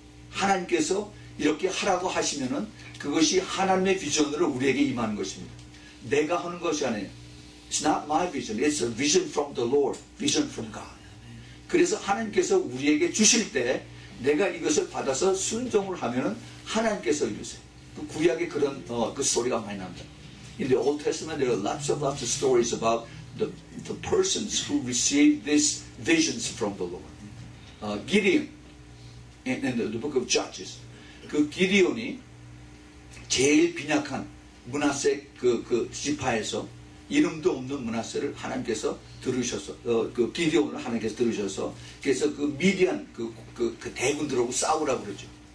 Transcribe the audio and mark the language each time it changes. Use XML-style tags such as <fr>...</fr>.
<ko>하나님께서 이렇게 하라고 하시면은 그것이 하나님의 비전으로 우리에게 임하는 것입니다. 내가 하는 것이 아니에요.</ko> <en>It's not my vision. It's a vision from the Lord. Vision from God.</en> <ko>그래서 하나님께서 우리에게 주실 때 내가 이것을 받아서 순종을 하면 하나님께서 이루세요. 그 구약에 그런 그 스토리가 많이 납니다.</ko> <en>In the Old Testament, there are lots of stories about the persons who received these visions from the Lord. Gideon in the book of Judges.</en> <ko>그 기드온이 제일 빈약한 므낫세 그 지파에서 이름도 없는 므낫세를 하나님께서 들으셔서 그 기드온을 하나님께서 들으셔서 그래서 그 미디안 그 대군들하고 싸우라고 그러죠.</ko>